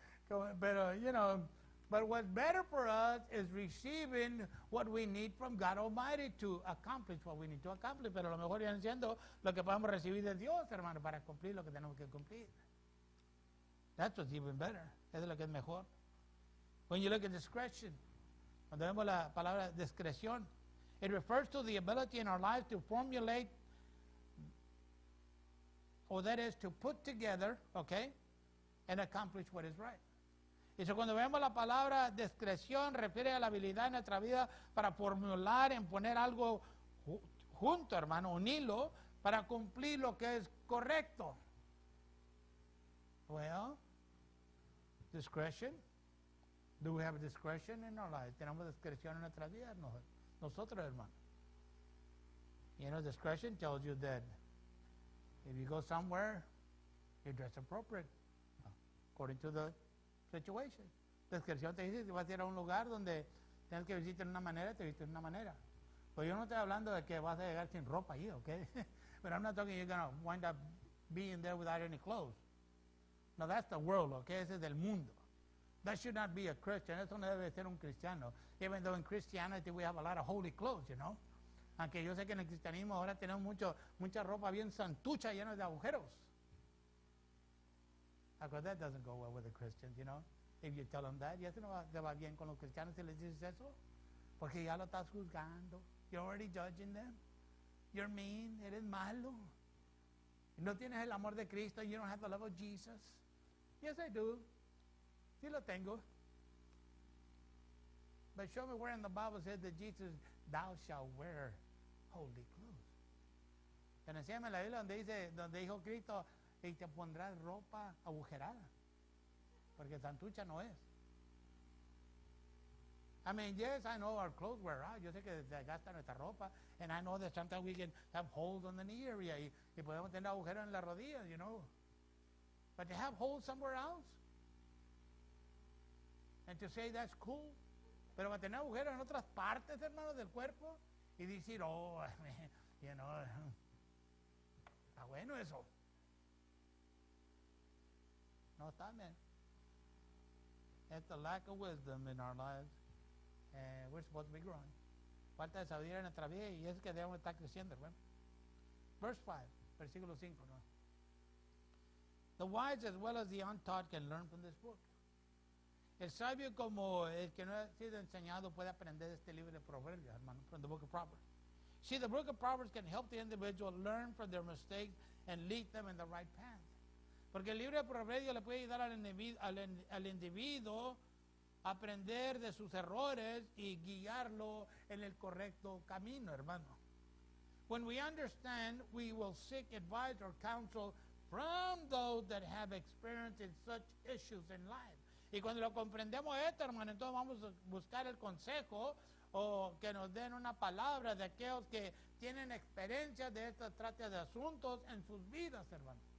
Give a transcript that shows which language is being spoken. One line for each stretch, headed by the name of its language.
English: but what's better for us is receiving what we need from God Almighty to accomplish what we need to accomplish.
Spanish: Pero lo mejor viene siendo lo que podemos recibir de Dios, hermano, para cumplir lo que tenemos que cumplir.
English: That's what's even better.
Spanish: Eso es lo que es mejor.
English: When you look at discretion,
Spanish: cuando vemos la palabra discreción,
English: it refers to the ability in our lives to formulate, or that is to put together, okay, and accomplish what is right.
Spanish: Y eso cuando vemos la palabra discreción, refiere a la habilidad en nuestra vida para formular, en poner algo junto, hermano, un hilo, para cumplir lo que es correcto.
English: Well, discretion. Do we have discretion in our lives?
Spanish: ¿Tenemos discreción en nuestras vidas? Nosotros, hermano.
English: You know, discretion tells you that if you go somewhere, you dress appropriate according to the situation.
Spanish: Discreción te dice que vas a ir a un lugar donde tienes que visitar de una manera, te visitas de una manera. Pues yo no estoy hablando de que vas a llegar sin ropa ahí, ¿ok?
English: But I'm not talking you're going to wind up being there without any clothes. No, that's the world, ¿ok?
Spanish: Ese es el mundo.
English: That should not be a Christian.
Spanish: Eso no debe ser un cristiano.
English: Even though in Christianity we have a lot of holy clothes, you know?
Spanish: Aunque yo sé que en el cristianismo ahora tenemos mucha ropa bien santucha llena de agujeros.
English: Because that doesn't go well with the Christians, you know? If you tell them that,
Spanish: ¿y eso no va bien con los cristianos si les dices eso? Porque ya lo estás juzgando.
English: You're already judging them. You're mean.
Spanish: Eres malo. No tienes el amor de Cristo.
English: You don't have the love of Jesus. Yes, I do.
Spanish: Sí lo tengo.
English: But show me where in the Bible says that Jesus, thou shalt wear holy clothes.
Spanish: Pero enséñame la Biblia donde dijo Cristo, y te pondrás ropa agujerada. Porque santucha no es.
English: I mean, yes, I know our clothes wear out.
Spanish: Yo sé que se gasta nuestra ropa.
English: And I know that sometimes we can have holes on the knee area.
Spanish: Y podemos tener agujeros en la rodilla,
English: you know. But to have holes somewhere else. And to say that's cool.
Spanish: Pero va a tener agujeros en otras partes, hermano, del cuerpo. Y decir,
English: oh, I mean, you know.
Spanish: Está bueno eso. No está, man.
English: It's the lack of wisdom in our lives. We're supposed to be growing.
Spanish: Falta de sabiduría en nuestra vida y es que debemos estar creciendo, hermano.
English: Verse 5,
Spanish: versículo 5, ¿no?
English: The wise as well as the untaught can learn from this book.
Spanish: El sabio como el que no ha sido enseñado puede aprender de este libro de Proverbios, hermano,
English: from the book of Proverbs. See, the book of Proverbs can help the individual learn from their mistakes and lead them in the right path.
Spanish: Porque el libro de Proverbios le puede ayudar al individuo aprender de sus errores y guiarlo en el correcto camino, hermano.
English: When we understand, we will seek advice or counsel from those that have experienced such issues in life.
Spanish: Y cuando lo comprendemos esto, hermano, entonces vamos a buscar el consejo o que nos den una palabra de aquellos que tienen experiencia de esta trata de asuntos en sus vidas, hermano.